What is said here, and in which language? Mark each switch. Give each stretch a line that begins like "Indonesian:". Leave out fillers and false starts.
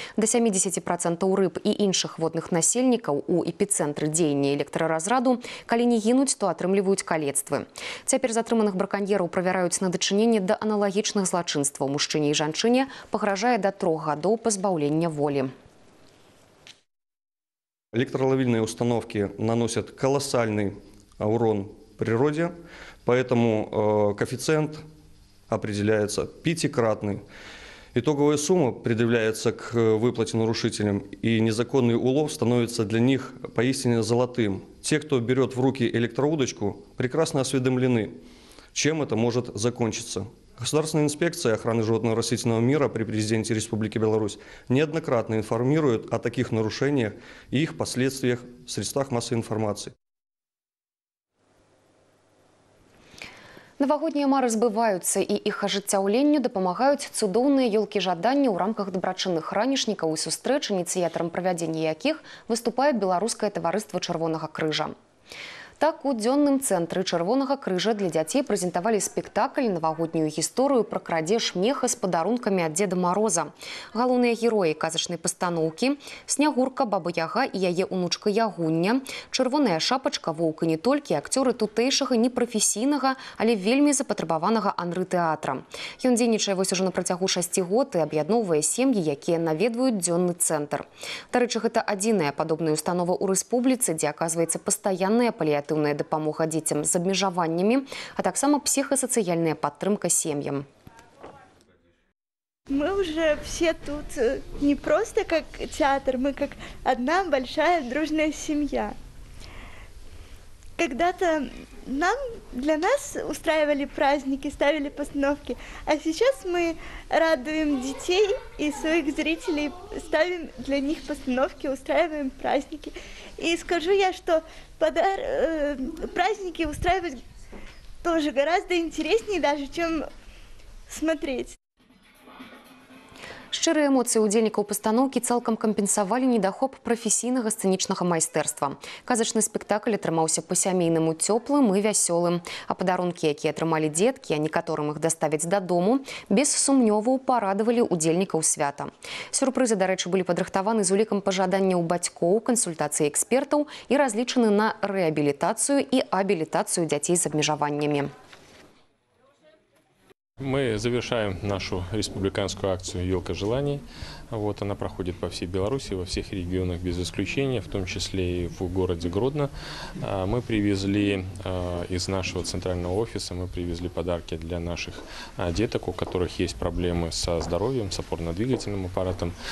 Belarusian: Да 70% рыб і іншых водных насельнікаў у эпіцэнтры дзеяння электраразраду, калі не гінуць, то атрымліваюць калецтвы. Цяпер затрыманых браканьераў правяраюць на дачыненне да аналагічных злачынстваў. Мужчыне і жанчыне пагражае да 3 гадоў пазбаўлення воли.
Russian: Электроловильные установки наносят колоссальный урон природе, поэтому коэффициент определяется пятикратный. Итоговая сумма предъявляется к выплате нарушителям, и незаконный улов становится для них поистине золотым. Те, кто берет в руки электроудочку, прекрасно осведомлены, чем это может закончиться. Государственная инспекция охраны животного и растительного мира при президенте Республики Беларусь неоднократно информирует о таких нарушениях и их последствиях в средствах массовой информации.
Belarusian: Новогодние мары сбываются, и их ажыццяўленню дапамагаюць цудоўныя ёлкі жадання ў рамках дабрачынных ранішнікаў и сустрэч, ініцыятарам правядзення якіх выступае Беларускае таварыства Чырвонага крыжа. Так, у дзённым цэнтры Чырвонага крыжа для дзяцей прэзентавалі спектакль «Навагоднюю гісторыю пра крадзеж меха з падарункамі ад Дзеда Мароза». Галоўныя героі казачнай пастаноўкі – Снягурка, Баба Яга і яе ўнучка Ягуня, Чырвоная шапачка, Воўк і не толькі, акцёры тутэйшага, непрафесійнага, але вельмі запатрабаванага Анры тэатра. Ён дзейнічае вось ужо на працягу 6 год і аб'ядноўвае сем'і, якія наведваюць дзённы цэнтр. Дарэчы, гэта адзіная падобная установа ў рэспубліцы, дзе аказваецца пастаянная паліятыўная дапамога дзецям з абмежаваннямі, а таксама псіхасацыяльная падтрымка сем'ям.
Russian: Мы уже все тут не просто как театр, мы как одна большая дружная семья. Когда-то нам, для нас устраивали праздники, ставили постановки, а сейчас мы радуем детей и своих зрителей, ставим для них постановки, устраиваем праздники. И скажу я, что праздники устраивать тоже гораздо интереснее даже, чем смотреть.
Belarusian: Шчырыя эмоцыі ўдзельнікаў пастаноўкі цалкам кампенсавалі недахоп прафесійнага сцэнічнага майстэрства. Казачны спектакль атрымаўся па-сямейнаму цёплым і вясёлым. А падарункі, якія атрымалі дзеткі, а некаторым іх даставяць дадому, без сумнёваў парадавалі ўдзельнікаў свята. Сюрпрызы, дарэчы, былі падрыхтаваны з улікам пажаданняў бацькоў, кансультацыі экспертаў і разлічаны на рэабілітацыю і абілітацыю дзяцей з абмежаваннямі.
Russian: Мы завершаем нашу республиканскую акцию «Елка желаний». Вот она проходит по всей Беларуси, во всех регионах без исключения, в том числе и в городе Гродно. Мы привезли из нашего центрального офиса, мы привезли подарки для наших деток, у которых есть проблемы со здоровьем, с опорно-двигательным аппаратом.